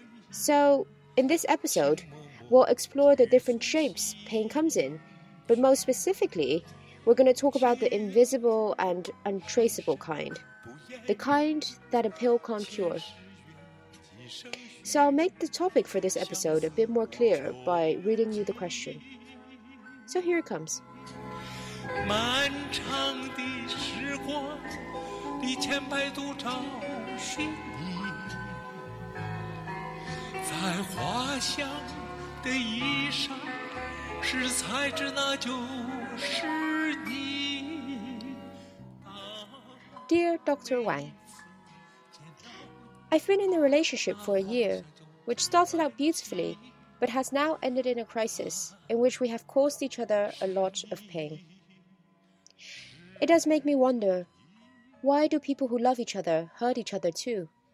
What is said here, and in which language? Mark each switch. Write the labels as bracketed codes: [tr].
[en] So, in this episode, we'll explore the different shapes pain comes in, but most specifically, we're going to talk about the invisible and untraceable kind, the kind that a pill can't cure. So I'll make the topic for this episode a bit more clear by reading you the question. So here it comes. [zh] 漫长的时光历千百度找寻你，在花香的衣裳是才知那就是你。 [en] Dear Dr. Wang, I've been in a relationship for a year, which started out beautifully, but has now ended in a crisis in which we have caused each other a lot of pain. It does make me wonder, why do people who love each other hurt each other too?